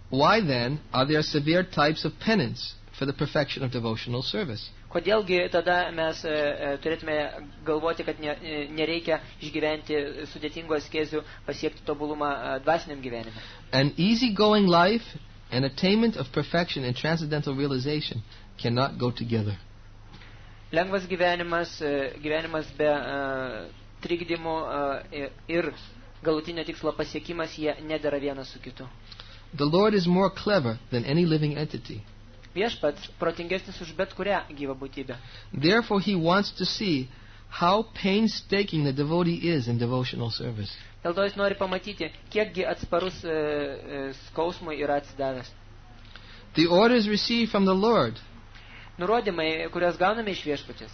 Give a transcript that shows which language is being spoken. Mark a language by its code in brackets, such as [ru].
[en] Why then are there severe types of penance for the perfection of devotional service? [lt] Kodėlgi tada mes turėtume galvoti, kad nereikia išgyventi sudėtingų askezių pasiekti tobulumą dvasiniam gyvenime. [en] An easygoing life and attainment of perfection and transcendental realization cannot go together. [lt] Lengvas gyvenimas, gyvenimas be trikdymų ir galutinio tikslo pasiekimas jie nedera vienas su kitu. [en] The Lord is more clever than any living entity. [lt] Viešpats protingesnis už bet kurią gyvą būtybę. [en] Therefore he wants to see how painstaking the devotee is in devotional service. [lt] Dėl to jis nori pamatyti, kiekgi atsparus skausmui yra atsidavęs. [en] The orders received from the Lord. [lt] Nurodymai, kuriuos gauname iš viešpaties.